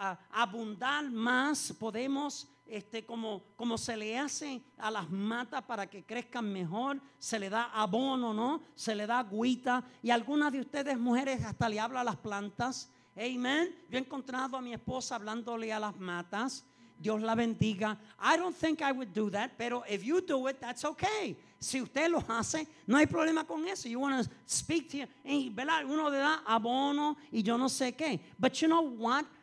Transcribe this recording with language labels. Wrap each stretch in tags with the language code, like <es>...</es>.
<es>Abundar más, podemos como se le hace a las matas para que crezcan mejor, se le da abono, ¿no? Se le da agüita. Y algunas de ustedes, mujeres, hasta le hablan a las plantas. Amen. Yo he encontrado a mi esposa hablándole a las matas. Dios la bendiga.</es> <en>I don't think I would do that, pero if you do it, that's okay.</en> <es>Si usted lo hace, no hay problema con eso.</es> <en>You want to speak to you.</en> <es>¿Verdad? Uno le da abono y yo no sé qué.</es> <en>But you know what?</en>